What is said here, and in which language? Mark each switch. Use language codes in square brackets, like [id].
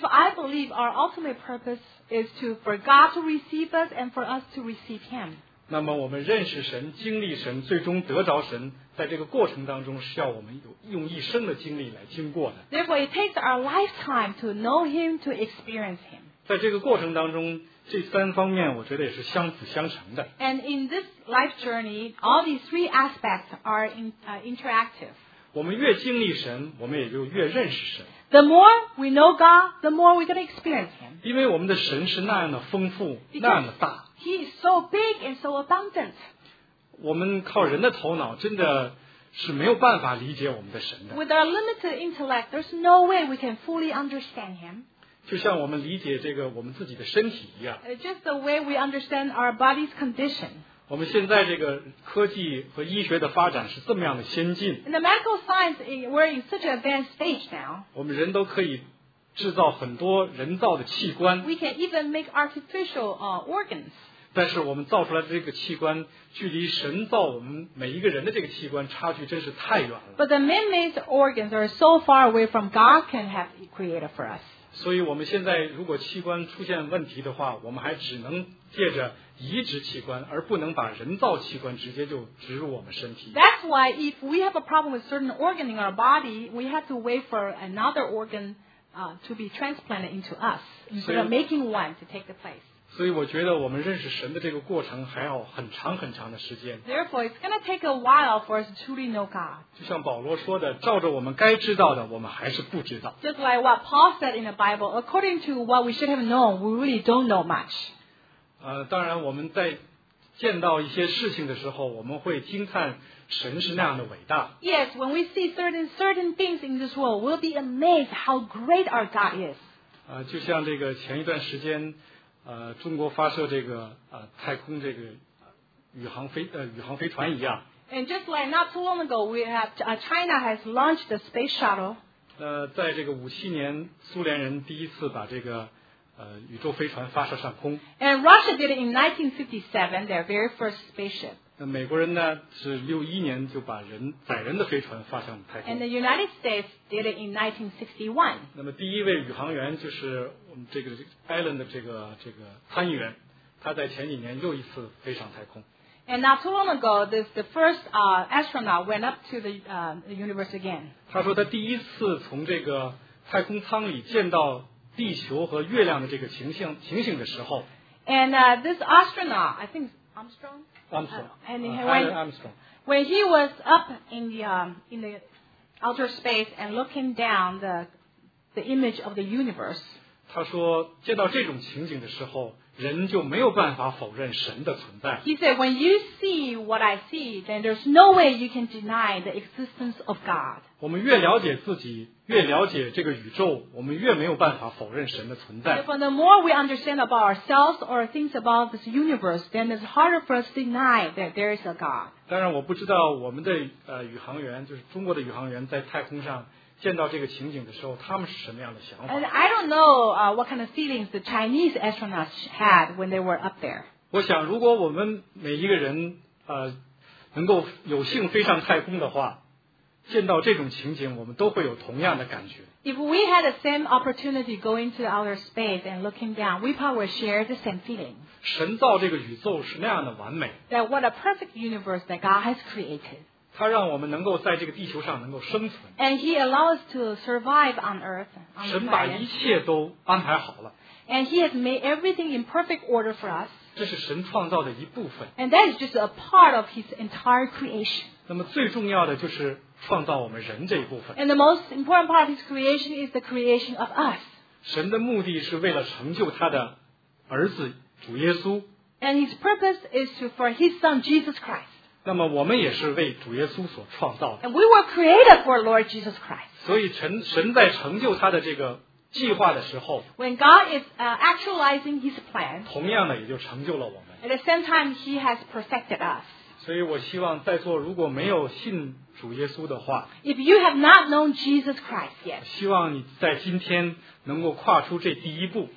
[en] If I believe our ultimate purpose is to for God to receive us and for us to receive Him. [zh] 那么我们认识神，经历神，最终得着神，在这个过程当中是要我们用一生的经历来经过的。 [en] Therefore, it takes our lifetime to know Him, to experience Him. [zh] 在这个过程当中。这三方面我觉得也是相辅相成的。 [en] And in this life journey, all these three aspects are interactive. [zh] 我们越经历神，我们也就越认识神。 [en] The more we know God, the more we're going to experience Him. [zh] 因为我们的神是那样的丰富，那样的大。 [en] He is so big and so abundant. [zh] 我们靠人的头脑真的是没有办法理解我们的神的。 [en] With our limited intellect, there's no way we can fully understand Him. [zh] 就像我们理解这个我们自己的身体一样。 [en] Just the way we understand our body's condition. [zh] 我们现在这个科技和医学的发展是这么样的先进。 [en] And the medical science, we're in such an advanced stage now. [zh] 我们人都可以制造很多人造的器官。 [en] We can even make artificial organs. [zh] 但是我们造出来的这个器官距离神造我们每一个人的这个器官差距真是太远了。 [en] But the man-made organs are so far away from God can have created for us. [zh] 所以我们现在如果器官出现问题的话我们还只能借着移植器官而不能把人造器官直接就植入我们身体 [en] That's why if we have a problem with certain organ in our body we have to wait for another organ to be transplanted into us instead of making one to take the place [zh] 所以我觉得我们认识神的这个过程还要很长很长的时间 [en] Therefore it's going to take a while for us to truly know God [zh] 就像保罗说的照着我们该知道的我们还是不知道 [en] Just like what Paul said in the Bible according to what we should have known we really don't know much [zh] 当然我们在见到一些事情的时候我们会惊叹神是那样的伟大 [en] Yes, when we see certain things in this world we'll be amazed how great our God is [zh] 就像这个前一段时间中国发射这个太空这个宇航飞船一样。 [en] And just like not too long ago, we have China has launched the space shuttle. [zh] 在这个57年，苏联人第一次把这个宇宙飞船发射上空。 [en] And Russia did it in 1957, their very first spaceship. [zh] 美国人呢是61年就把人载人的飞船发向太空。 [en] And the United States did it in 1961. [zh] 那么第一位宇航员就是。这个 Allen 的这个参议员，他在前几年又一次飞上太空。 [en] And not too long ago, the first astronaut went up to the universe again. [zh] 他说他第一次从这个太空舱里见到地球和月亮的这个情形的时候。 [en] And this astronaut, I think Armstrong. Armstrong. And he Armstrong. When he was up in the outer space and looking down the image of the universe. [zh] 他说见到这种情景的时候人就没有办法否认神的存在。 [en] He said, when you see what I see, then there's no way you can deny the existence of God. [zh] 我们越了解自己越了解这个宇宙我们越没有办法否认神的存在。 [en] Therefore, the more we understand about ourselves or things about this universe, then it's harder for us to deny that there is a God. [zh] 当然我不知道我们的宇航员就是中国的宇航员在太空上见到这个情景的时候他们是什么样的想法 [en] And I don't know what kind of feelings the Chinese astronauts had when they were up there. [zh] 我想如果我们每一个人能够有幸飞上太空的话见到这种情景我们都会有同样的感觉。 [en] If we had the same opportunity going to outer space and looking down, we probably share the same feelings. [zh] 神造这个宇宙是那样的完美。 [en] That what a perfect universe that God has created. [zh] 他让我们能够在这个地球上能够生存。 [en] And he allows us to survive on earth. [zh] 神把一切都安排好了。 [en] And he has made everything in perfect order for us. [zh] 这是神创造的一部分。 [en] And that is just a part of his entire creation. [zh] 那么最重要的就是创造我们人这一部分。 [en] And the most important part of his creation is the creation of us. [zh] 神的目的是为了成就他的儿子主耶稣。 [en] And his purpose is for his son Jesus Christ. [zh] 那么我们也是为主耶稣所创造的。 [en] And we were created for Lord Jesus Christ. [zh] 所以神在成就他的这个计划的时候 [en] When God is actualizing his plan, [zh] 同样的也就成就了我们。 [en] At the same time, he has perfected us. [zh] 所以我希望在座如果没有信主耶稣的话 [en] If you have not known Jesus Christ yet, [zh] 希望你在今天能够跨出这第一步。